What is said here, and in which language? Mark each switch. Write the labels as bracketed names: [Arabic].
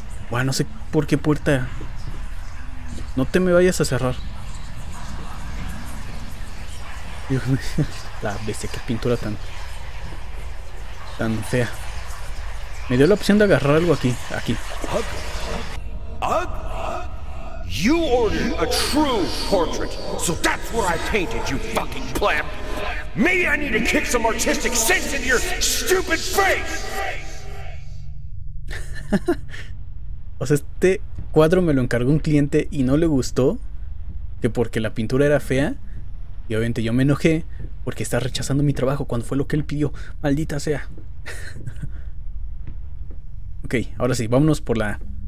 [Spanish] Bueno, no sé por qué puerta. No te me vayas a cerrar. Dios mío. La bestia, qué pintura tan... tan fea. Me dio la opción de agarrar algo aquí. Aquí. [English] You ordered a true portrait, so that's where I painted, you fucking pleb. Maybe I need to kick some artistic sense into your stupid face. [Spanish] O sea, este cuadro me lo encargó un cliente y no le gustó, que porque la pintura era fea. Y obviamente yo me enojé porque está rechazando mi trabajo cuando fue lo que él pidió. Maldita sea. Ok, ahora sí, vámonos por la...